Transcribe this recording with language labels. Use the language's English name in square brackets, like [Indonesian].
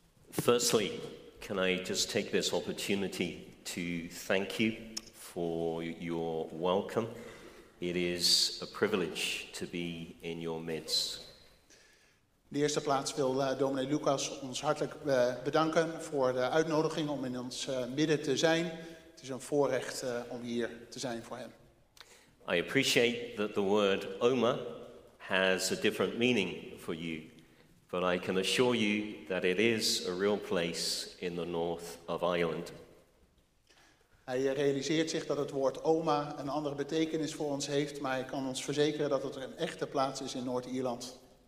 [English] Firstly, can I just take this opportunity to thank you for your welcome. It is a privilege to be in your midst. [Dutch] In de eerste plaats wil dominee Lucas ons hartelijk bedanken voor de uitnodiging om in ons midden te zijn. Het is een voorrecht om hier te zijn voor hem. [English] I appreciate that the word Omer has a different meaning for you, but I can assure you that it is a real place in the north of Ireland. [Dutch] Hij realiseert zich dat het woord Oma een andere betekenis voor ons heeft, maar hij kan ons verzekeren dat het een echte plaats is in Noord-Ierland.